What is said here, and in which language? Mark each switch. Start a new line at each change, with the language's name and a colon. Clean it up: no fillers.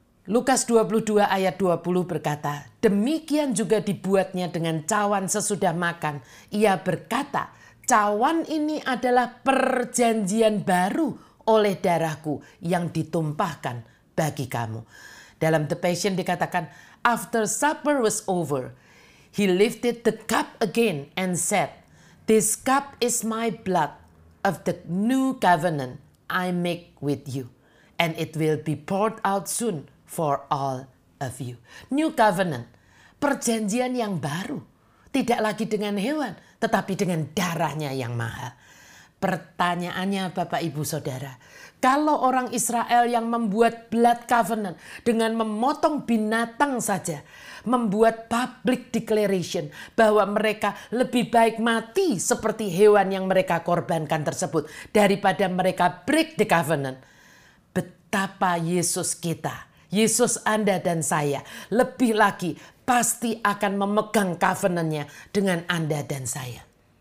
Indonesian: Lukas 22 ayat 20 berkata, demikian juga dibuatnya dengan cawan sesudah makan. Ia berkata, cawan ini adalah perjanjian baru oleh darahku yang ditumpahkan bagi kamu. Dalam The Passion dikatakan,
English: after supper was over, he lifted the cup again and said, this cup is my blood of the new covenant I make with you, and it will be poured out soon for all of you. New covenant,
Indonesian: perjanjian yang baru. Tidak lagi dengan hewan, tetapi dengan darahnya yang mahal. Pertanyaannya Bapak Ibu Saudara, kalau orang Israel yang membuat
English: blood covenant
Indonesian: dengan memotong binatang saja, membuat
English: public declaration
Indonesian: bahwa mereka lebih baik mati seperti hewan yang mereka korbankan tersebut daripada mereka
English: break the covenant,
Indonesian: betapa Yesus kita, Yesus Anda dan saya, lebih lagi pasti akan memegang covenant-nya dengan Anda dan saya.